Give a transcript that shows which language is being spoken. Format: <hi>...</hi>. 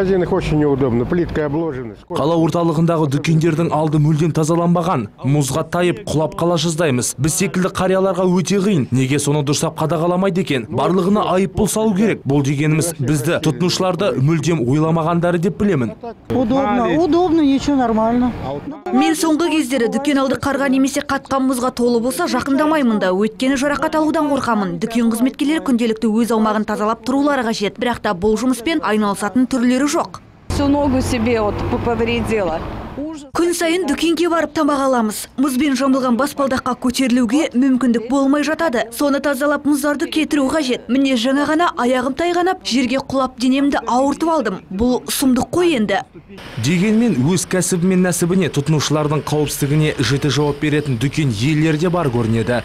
<kk>Қала орталығындағы дүкендердің алды мүлдем тазаланбаған, мұзға тайып құлап қала жаздаймыз. Біз секілді қарияларға өте қиын. Неге соны дұрсап қадағаламайды екен? Барлығына айыппұл салу керек. Бұл дегеніміз бізді тұтынушыларды мүлдем ойламағандары деп білемін.</kk> <ru>Удобно, ничего нормально.</ru> <kk>Мен соңғы кездері дүкен алды қарға немесе қатқан мұзға толы болса жақындамаймын да, өйткені жарақат алудан қорқамын. Дүкен қызметкерлері күнделікті өз аумағын тазалап тұрулары қажет, бірақ та бұл жұмыспен айналысатын түрлері жоқ.</kk> <ru>Всю ногу себе повредила.</ru> <kk>Күн сайын дүкенге барып тамақ аламыз. Мұзбен жамылған баспалдаққа көтерілуге мүмкіндік болмай жатады. Соны тазалап мұздарды кетіру қажет. Міне жаңа ғана аяғым тайғанап, жерге құлап денемді ауыртып алдым. Бұл сұмдық қой енді. Дегенмен өз кәсібі мен нәсібіне тұтынушылардың қауіпсіздігіне жіті жауап беретін дүкен иелері де бар көрінеді.</kk>